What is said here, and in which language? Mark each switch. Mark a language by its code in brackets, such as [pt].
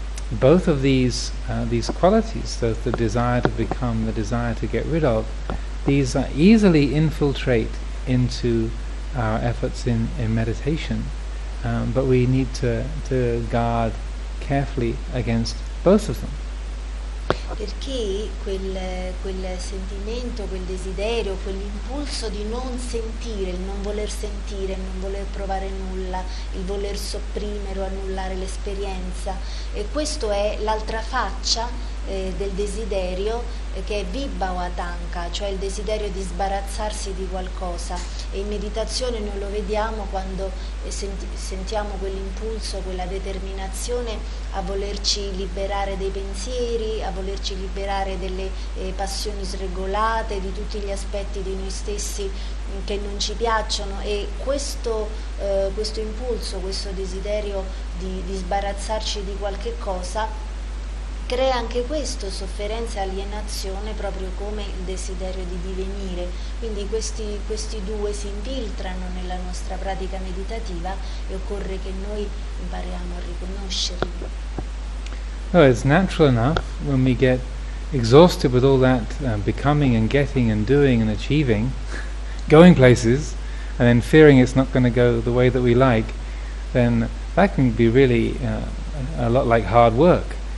[en] both of these qualities, the desire to become, the desire to get rid of, these easily infiltrate into our efforts in meditation, but we need to guard carefully against both of them. [it] Perché quel sentimento, quel desiderio, quell'impulso di non sentire, il non voler sentire, il non voler provare nulla, il voler sopprimere o annullare l'esperienza, e questa è l'altra faccia del desiderio che è vibhavatanka, cioè il desiderio di sbarazzarsi di qualcosa. E in meditazione noi lo vediamo quando sentiamo quell'impulso, quella determinazione a volerci liberare dei pensieri, a volerci liberare delle passioni sregolate, di tutti gli aspetti di noi stessi che non ci piacciono. E questo impulso, questo desiderio di sbarazzarci di qualche cosa, crea anche questo sofferenza e alienazione proprio come il desiderio di divenire. Quindi questi due si infiltrano nella nostra pratica meditativa e occorre che noi impariamo a riconoscerli. [en] Well, it's natural enough when we get exhausted with all that becoming and getting and doing and achieving, going places, and then fearing it's not going to go the way that we like, then that can be really a lot like hard work.